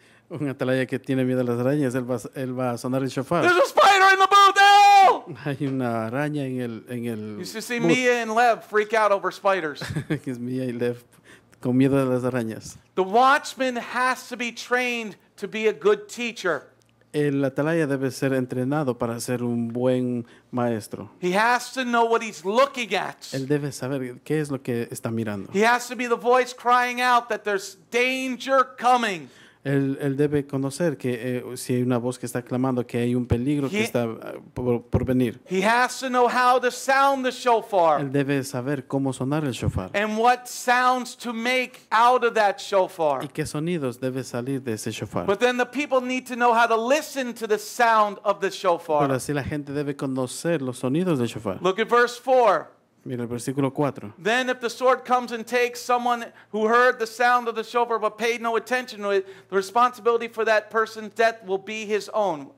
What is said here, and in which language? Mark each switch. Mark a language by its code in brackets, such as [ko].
[es] Un atalaya que tiene miedo a las arañas, él va a sonar el shofar. [en] There's a spider in the booth now! [es] Hay una araña en el [en] You should see Mia and Lev freak out over spiders. [es] Es Mia y Lev con miedo a las arañas. [en] The watchman has to be trained to be a good teacher. [es] El atalaya debe ser entrenado para ser un buen maestro. [en] He has to know what he's looking at. [es] Él debe saber qué es lo que está mirando. [en] He has to be the voice crying out that there's danger coming. [es] Él debe conocer que si hay una voz que está clamando que hay un peligro que está por venir. [en] He has to know how to sound the shofar. [es] Él debe saber cómo sonar el shofar. [en] And what sounds to make out of that shofar. [es] Y qué sonidos debe salir de ese shofar. [en] But then the people need to know how to listen to the sound of the shofar. [es] Pero así la gente debe conocer los sonidos del shofar. [en] Look at verse 4. [es] Mira el versículo 4. [en] Then if the sword comes and takes someone who heard the sound of the shofar but paid no attention to it, the responsibility for that person's death will be his own.